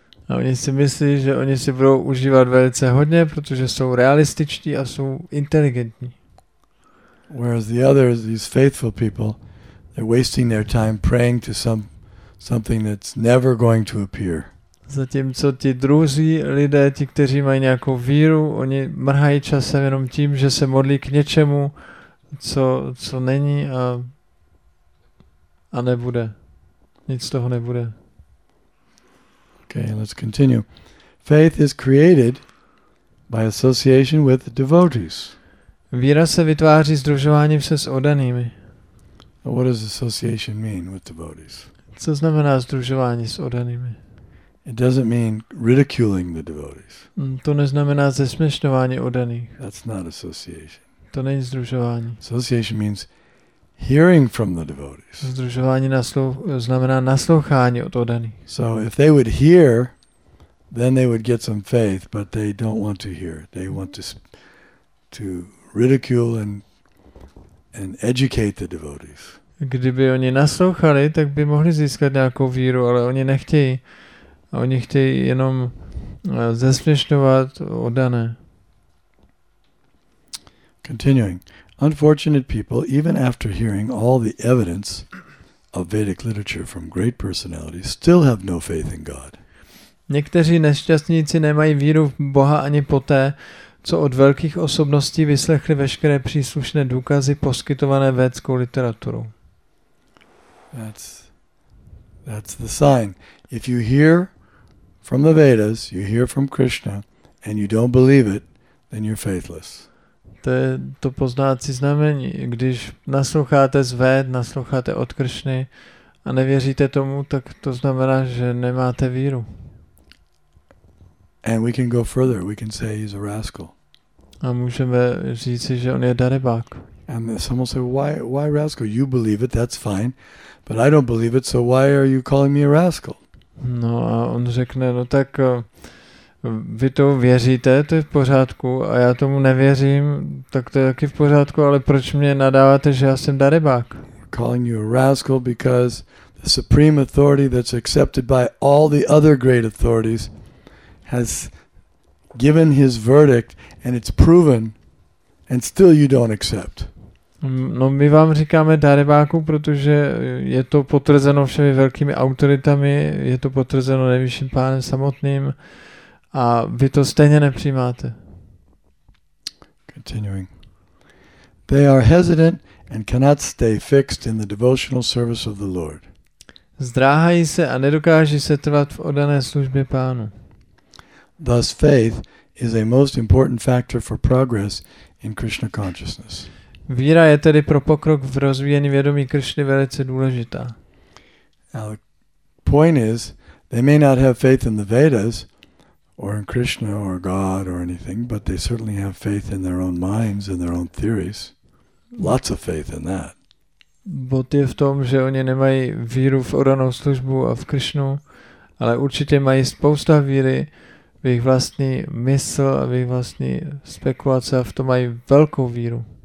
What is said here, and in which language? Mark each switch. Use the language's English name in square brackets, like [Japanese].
[Czech] A oni si myslí, že oni si budou užívat velice hodně, protože jsou realističtí a jsou inteligentní. [English] Whereas the others, these faithful people, they're wasting their time praying to something that's never going to appear. [Czech] Zatímco ti druzí lidé, ti, kteří mají nějakou víru, oni mrhají časem jenom tím, že se modlí k něčemu, co není a nebude. Nic z toho nebude. [English] Okay, let's continue. Faith is created by association with devotees. [Czech] Víra se vytváří sdružováním se s oddanými. [English] What does association mean with devotees? [Czech] Co znamená sdružování s oddanými? [English] It doesn't mean ridiculing the devotees. [Czech] To neznamená zesměšňování oddaných. [English] That's not association. [Czech] To není sdružování. [English] Association means hearing from the devotees. [Czech] Sdružování znamená naslouchání od oddaných. [English] So if they would hear, then they would get some faith, but they don't want to hear. They want to ridicule and educate the devotees. [Czech] Kdyby oni naslouchali, tak by mohli získat nějakou víru, ale oni nechtějí. A oni chtějí jenom zesměšňovat oddané. [English] Continuing. Unfortunate people, even after hearing all the evidence of Vedic literature from great personalities, still have no faith in God. [Czech] Někteří nešťastníci nemají víru v Boha ani poté, co od velkých osobností vyslechli veškeré příslušné důkazy poskytované védskou literaturou. [English] That's the sign. If you hear from the Vedas, you hear from Krishna, and you don't believe it, then you're faithless. [Czech] To je to poznávací znamení. Když nasloucháte z Véd, nasloucháte od Kršny a nevěříte tomu, tak to znamená, že nemáte víru. [English] And we can go further. We can say he's a rascal. [Czech] A můžeme říci, že on je darebák. [English] And someone say, why rascal? You believe it, that's fine. But I don't believe it, so why are you calling me a rascal? [Czech] No a on řekne, no tak vy to věříte, to je v pořádku, a já tomu nevěřím, tak to je taky v pořádku, ale proč mě nadáváte, že já jsem darebák? [English] Calling you a rascal because the supreme authority that's accepted by all the other great authorities has given his verdict and it's proven and still you don't accept. [Czech] No my vám říkáme darebáku, protože je to potvrzeno všemi velkými autoritami, je to potvrzeno nejvyšším pánem samotným, a vy to stejně nepřijímáte. [English] Continuing. They are hesitant and cannot stay fixed in the devotional service of the Lord. [Czech] Zdráhají se a nedokáží se trvat v oddané službě pánu. [English] Thus faith is a most important factor for progress in Krishna consciousness. [Czech] Víra je tedy pro pokrok v rozvíjení vědomí Kršny velice důležitá. [English] Now, point is, they may not have faith in the Vedas, or in Krishna, or God, or anything, but they certainly have faith in their own minds and their own theories. Lots of faith in that. [Czech] Bod je v tom, že oni nemají víru v oddanou službu a v Krishnu, ale určitě mají spousta víry v jejich vlastní mysl a v jejich vlastní spekulace a v tom mají velkou víru.